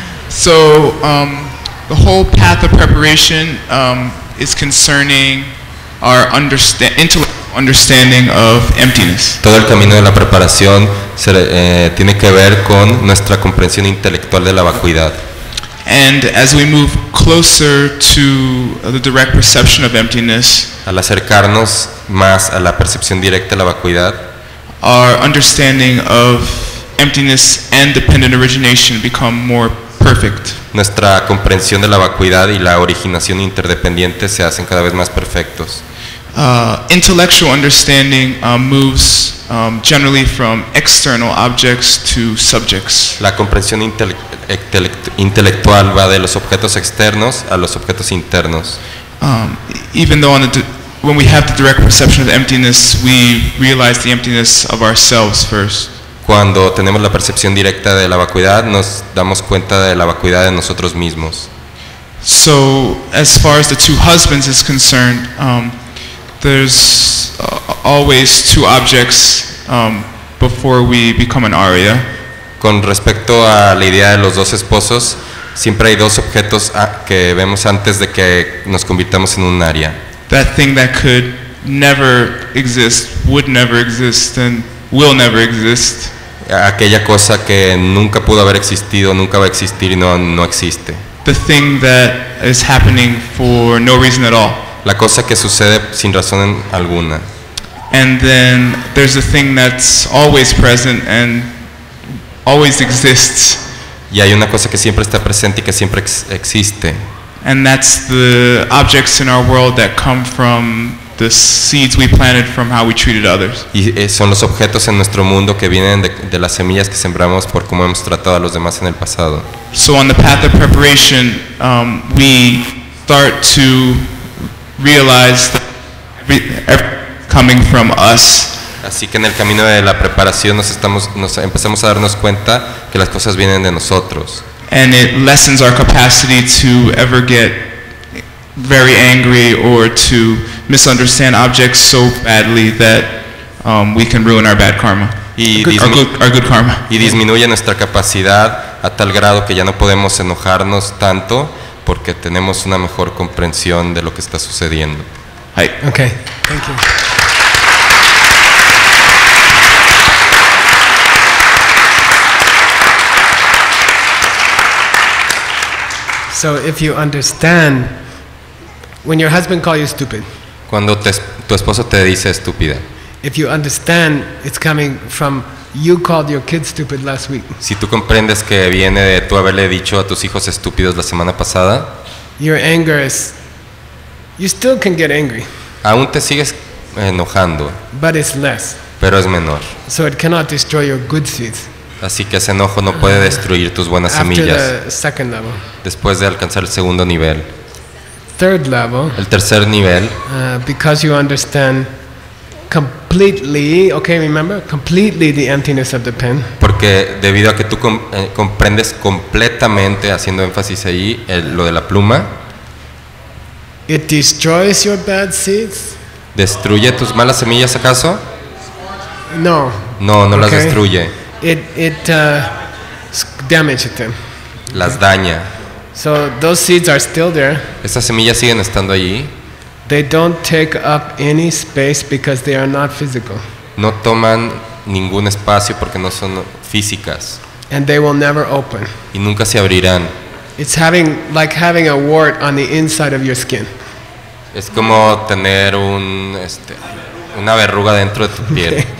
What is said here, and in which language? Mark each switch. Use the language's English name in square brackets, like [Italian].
[English] So, the whole path of preparation is concerning our intellectual understanding of emptiness. [Spanish] Todo el camino de la preparación tiene que ver con nuestra comprensión intelectual de la vacuidad. [English] And as we move closer to the direct perception of emptiness, [Spanish] al acercarnos más a la percepción directa de la vacuidad, [English] our understanding of emptiness and dependent origination become more perfect. [Spanish] Nuestra comprensión de la vacuidad y la originación interdependiente se hacen cada vez más perfectos. [English] Intellectual understanding moves generally from external objects to subjects. [Spanish] La comprensión intelectual va de los objetos externos a los objetos internos. [English] Even though when we have the direct perception of emptiness, we realize the emptiness of ourselves first. [Spanish] Cuando tenemos la percepción directa de la vacuidad, nos damos cuenta de la vacuidad de nosotros mismos. [English] So, as far as the two husbands is concerned, there's always two objects before we become an Arya. [Spanish] Con respecto a la idea de los dos esposos, siempre hay dos objetos que vemos antes de que nos convirtamos en un Arya. [English] That thing that could never exist, would never exist, and will never exist. [Spanish] Aquella cosa que nunca pudo haber existido, nunca va a existir y no existe. [English] The thing that is happening for no reason at all. [Spanish] La cosa que sucede sin razón alguna. [English] And then there's a thing that's always present and always exists. [Spanish] Y hay una cosa que siempre está presente y que siempre existe. [English] And that's the objects in our world that come from the seeds we planted from how we treated others. [Spanish] Y son los objetos en nuestro mundo que vienen de las semillas que sembramos por cómo hemos tratado a los demás en el pasado. [English] So on the path of preparation, we start to realize that everything coming from us. [Spanish] Así que en el camino de la preparación nos empezamos a darnos cuenta que las cosas vienen de nosotros. [English] and it lessens our capacity to ever get very angry or to misunderstand objects so badly that we can ruin our bad karma. Our good karma. [Spanish] Y disminuye nuestra capacidad a tal grado que ya no podemos enojarnos tanto porque tenemos una mejor comprensión de lo que está sucediendo. [English] Hi. Okay. Thank you. So if you understand when your husband calls you stupid. [Spanish] Cuando tu esposo te dice estúpida. [English] If you understand it's coming from you called your kids stupid last week. [Spanish] Si tú comprendes que viene de tú haberle dicho a tus hijos estúpidos la semana pasada. [English] Your anger is you still can get angry. [Spanish] Aún te sigues enojando. [English] But it's less. [Spanish] Pero es menor. [English] So it cannot destroy your good seeds. [Spanish] Así que ese enojo no puede destruir tus buenas semillas. Después de alcanzar el segundo nivel. [English] Third level. [Spanish] El tercer nivel. [English] Because you understand completely, okay, remember, completely the emptiness of the pen. [Spanish] Porque debido a que tú comprendes completamente, haciendo énfasis ahí, lo de la pluma. [English] It destroys your bad seeds. [Spanish] ¿Destruye tus malas semillas acaso? [English] No. [Spanish] No, no las destruye. [English] It damages them. [Spanish] Las daña. [English] So those seeds are still there. [Spanish] Esas semillas siguen estando allí. [English] They don't take up any space because they are not physical. [Spanish] No toman ningún espacio porque no son físicas. [English] And they will never open. [Spanish] Y nunca se abrirán. [English] It's having like having a wart on the inside of your skin. [Spanish] Es como tener una verruga dentro de tu piel.